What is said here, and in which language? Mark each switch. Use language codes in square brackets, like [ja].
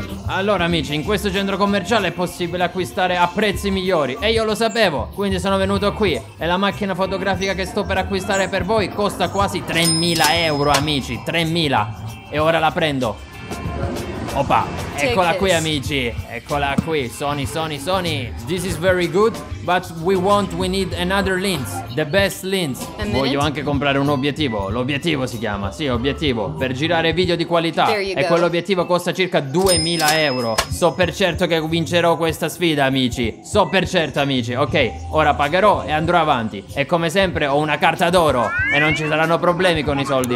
[it] Allora, amici, in questo centro commerciale è possibile acquistare a prezzi migliori e io lo sapevo, quindi sono venuto qui e la macchina fotografica che sto per acquistare per voi costa quasi 3.000 euro, amici, 3.000, e ora la prendo. Opa, eccola qui amici, eccola qui, Sony. [en] This is very good, but we need another lens, the best lens. [it] Voglio anche comprare un obiettivo, l'obiettivo si chiama, sì, obiettivo, per girare video di qualità. E quell'obiettivo costa circa 2000 euro. So per certo che vincerò questa sfida, amici, so per certo, amici. Ok, ora pagherò e andrò avanti. E come sempre ho una carta d'oro e non ci saranno problemi con i soldi.